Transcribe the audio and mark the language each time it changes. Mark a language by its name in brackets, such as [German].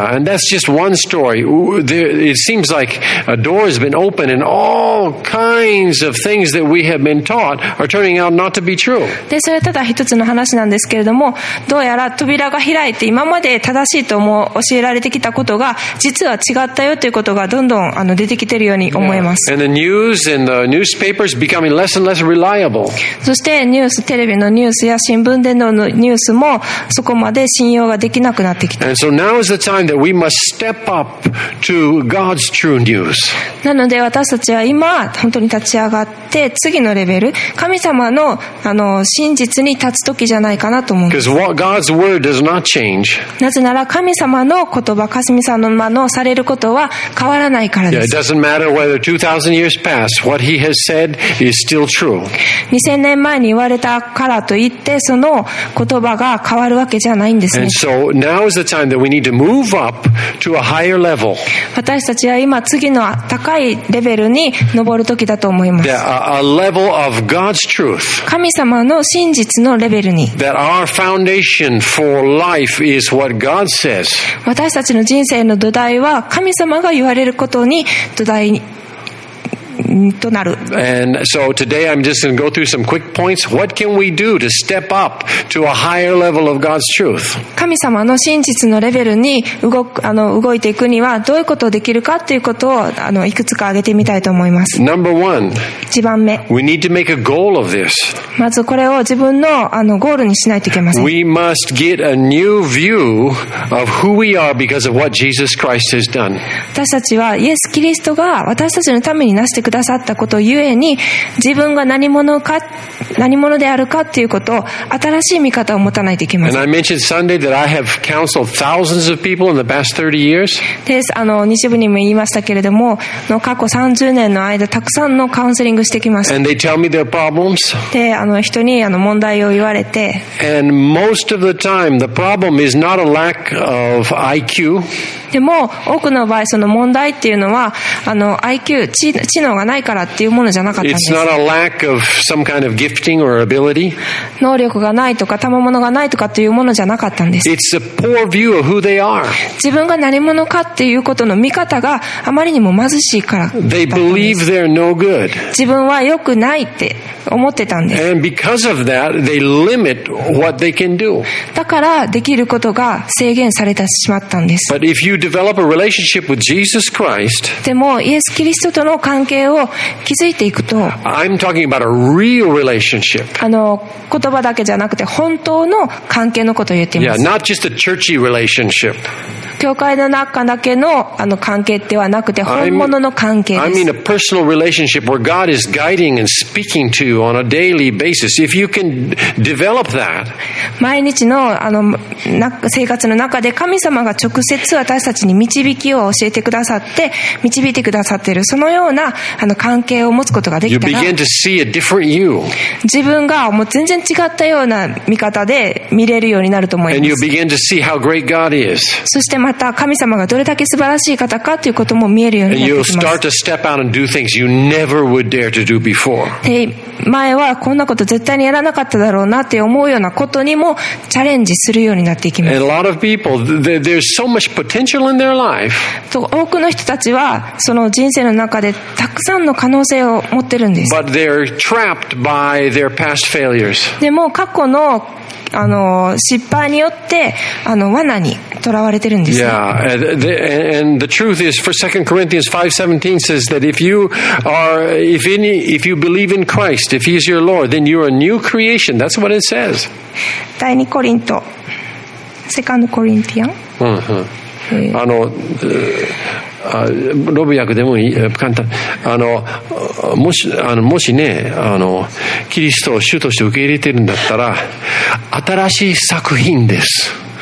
[English] Yeah, and that's just one story. It seems like a door has been opened and all kinds of things that we have been taught are turning out not to be true. [Japanese] でそれはただ一つの話なんですけれども、どうやら扉が開いて今まで正しいと思う教えられてきたことが実は違ったよということがどんどん出てきているように思います。 [English] And the news and the newspapers becoming less and less reliable. [Japanese] そしてニュース、テレビのニュースや新聞でのニュースもそこまで信用ができなくなってきた。 [English] And so now is the time that we must step up to God's true news. [Japanese] なので私たちは今本当に立ち上がって次のレベル、神様の真実に立つ時じゃないかなと思うんです。 [English] Because what God's word does not change. [Japanese] なぜなら神様の言葉、かすみさんの間のされることは変わらないからです。 [English] Yeah, it doesn't matter whether 2,000 years pass. What he has said is still true. [Japanese] 2000年前に言われたからといってその言葉が変わるわけじゃないんですね。 [English] And so now is the time that we need to move up to a higher level. [Japanese] 私たちは今次の高いレベルに上る時だと思います。 [English] Yeah, a level of God's truth. [Japanese] 神様の真実のレベルに。 [English] That our foundation for life is what God says. [Japanese] 私たちの人生の土台は神様が言われることに土台となる。 [English] And so today I'm just going to go through some quick points. What can we do to step up to a higher level of God's truth? [Japanese] 神様の真実のレベルに動いていくにはどういうことをできるかということをいくつか挙げてみたいと思います。 [English] Number one. [Japanese] 一番目。 [English] We need to make a goal of this. [Japanese] まずこれを自分のゴールにしないといけません。 [English] We must get a new view of who we are because of what Jesus Christ has done. [Japanese] 私たちはイエス・キリストが私たちのためになしてくださったことゆえに自分が何者であるかということを新しい見方を持たないといけません。 [English] And I mentioned Sunday that I have counseled thousands of people in the past 30 years. [Japanese] です。日部にも言いましたけれども、過去30年の間たくさんのカウンセリングしてきました。 [English] And they tell me their problems. [Japanese] で、人に問題を言われて。 [English] And most of the time the problem is not a lack of IQ. [Japanese] でも多くの場合その問題っていうのはIQ 知能がないからっていうものじゃなかったんです。 [English] It's not a lack of some kind of gifting or ability. [Japanese] 能力がないとか賜物がないとかというものじゃなかったんです。 [English] It's a poor view of who they are. [Japanese] 自分が何者かっていうことの見方があまりにも貧しいからだったんです。 [English] They believe they're no good. [Japanese] 自分は良くないって思ってたんです。 [English] And because of that, they limit what they can do. [Japanese] だからできることが制限されてしまったんです。 [English] But if you develop a relationship with Jesus Christ, [Japanese] でもイエス・キリストとの関係を築いていくと、 [English] I'm talking about a real relationship. [Japanese] 言葉だけじゃなくて本当の関係のことを言っています。 [English] Yeah, not just a churchy relationship. [Japanese] 教会の中だけの、あの関係ではなくて本物の関係です。 [English] I mean a personal relationship where God is guiding and speaking to you on a daily basis. If you can develop that, [Japanese] 毎日の、あの生活の中で神様が直接私たちに導きを教えてくださって導いてくださっているそのようなあの関係を持つことができたら、 [English] you begin to see a different you. [Japanese] 自分がもう全然違ったような見方で見れるようになると思います。 [English] And you begin to see how great God is. [Japanese] そしてまた神様がどれだけ素晴らしい方かということも見えるようになってきます。 [English] And you'll start to step out and do things you never would dare to do before. [Japanese] 前はこんなこと絶対にやらなかっただろうなって思うようなことにもチャレンジするようになっていきます。 [English] And a lot of people, there's so much potential in their life. [Japanese] 多くの人たちはその人生の中でたくさんの可能性を持ってるんです。 [English] But they're trapped by their past failures. [Japanese] でも過去のあの失敗によってあの罠にとらわれてるんですね。 [English] Yeah, and the truth is, for 2 Corinthians 5:17 says that if you believe in Christ, if He is your Lord, then you are a new creation. That's what it says. [Japanese] 第二コリント、2 Corinthians。あのロビ訳でもいい、簡単、あのもし、あのもしね、あのキリストを主として受け入れてるんだったら新しい作品です。